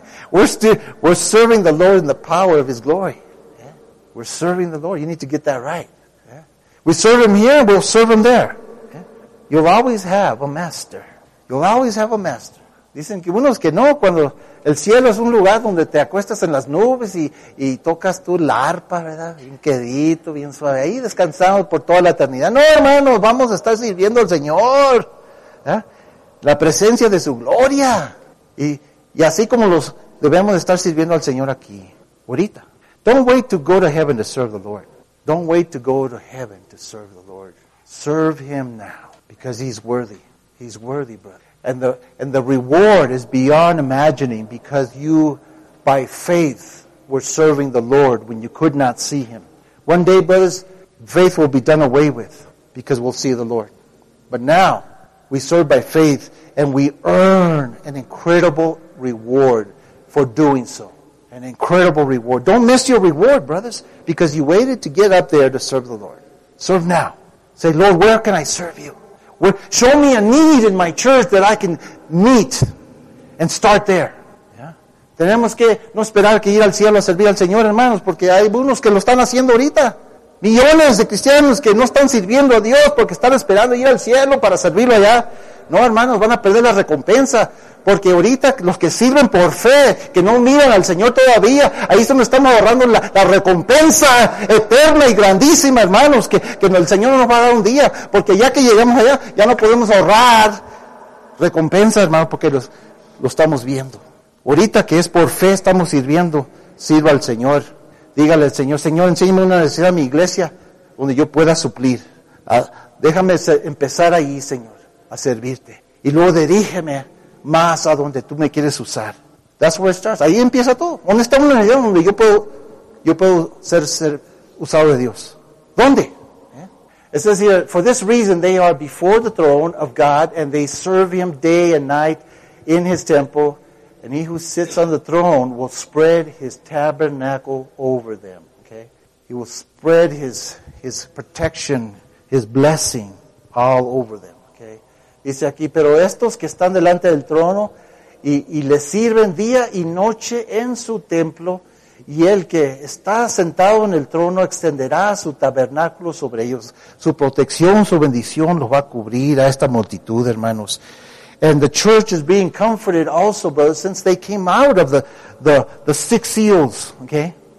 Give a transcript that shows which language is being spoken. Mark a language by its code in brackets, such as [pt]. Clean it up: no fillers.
[en] We're serving the Lord in the power of His glory. Yeah. We're serving the Lord. You need to get that right. Yeah. We serve Him here, we'll serve Him there. Yeah. You'll always have a master. You'll always have a master. [es] Dicen que unos que no, cuando el cielo es un lugar donde te acuestas en las nubes y tocas tú la arpa, ¿verdad? Bien quedito, bien suave. Ahí descansamos por toda la eternidad. No, hermano, vamos a estar sirviendo al Señor. ¿Eh? La presencia de su gloria. Y así como los debemos estar sirviendo al Señor aquí, ahorita. [en] Don't wait to go to heaven to serve the Lord. Don't wait to go to heaven to serve the Lord. Serve Him now, because He's worthy. He's worthy, brother. And the reward is beyond imagining, because you, by faith, were serving the Lord when you could not see Him. One day, brothers, faith will be done away with, because we'll see the Lord. But now, we serve by faith, and we earn an incredible reward for doing so. An incredible reward. Don't miss your reward, brothers, because you waited to get up there to serve the Lord. Serve now. Say, Lord, where can I serve you? Show me a need in my church that I can meet and start there. Yeah. [es] Tenemos que no esperar que ir al cielo a servir al Señor, hermanos, porque hay unos que lo están haciendo ahorita. Millones de cristianos que no están sirviendo a Dios porque están esperando ir al cielo para servirlo allá. No, hermanos, van a perder la recompensa. Porque ahorita los que sirven por fe, que no miran al Señor todavía, ahí es donde estamos ahorrando la recompensa eterna y grandísima, hermanos, que el Señor nos va a dar un día. Porque ya que llegamos allá, ya no podemos ahorrar recompensa, hermanos, porque lo estamos viendo. Ahorita que es por fe estamos sirviendo, sirva al Señor. Dígale al Señor, Señor, enséñame una necesidad a mi iglesia donde yo pueda suplir. Déjame empezar ahí, Señor, a servirte. Y luego dirígeme más a donde tú me quieres usar. [en] That's where it starts. [es] Ahí empieza todo. ¿Dónde está una necesidad donde yo puedo ser usado de Dios? ¿Dónde? [en] It says here, for this reason they are before the throne of God and they serve him day and night in his temple. And he who sits on the throne will spread his tabernacle over them. Okay? He will spread his protection, his blessing all over them. Okay? [es] Dice aquí, pero estos que están delante del trono y le sirven día y noche en su templo, y el que está sentado en el trono extenderá su tabernáculo sobre ellos. Su protección, su bendición los va a cubrir a esta multitud, hermanos. [en] And the church is being comforted also, brothers, since they came out of the six seals, okay?